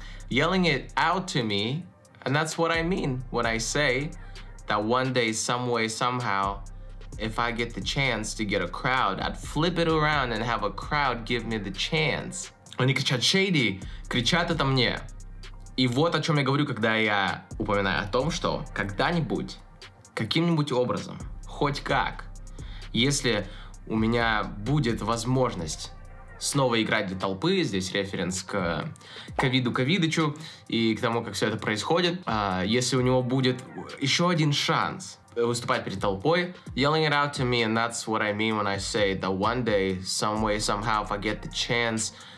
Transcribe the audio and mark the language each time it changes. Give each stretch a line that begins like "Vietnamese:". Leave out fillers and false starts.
English: Yelling it out to me, and that's what I mean when I say that one day, some way, somehow, if I get the chance to get a crowd, I'd flip it around and have a crowd give me the chance.
Russian: Они кричат «Shady!» Кричат это мне. И вот о чем я говорю, когда я упоминаю о том, что когда-нибудь, каким-нибудь образом, хоть как, если у меня будет возможность снова играть для толпы, здесь референс к ковиду-ковидычу и к тому, как все это происходит, если у него будет еще один шанс выступать перед толпой.
English: Yelling it out to me, and that's what I mean when I say that one day, some way, somehow, if I get the chance...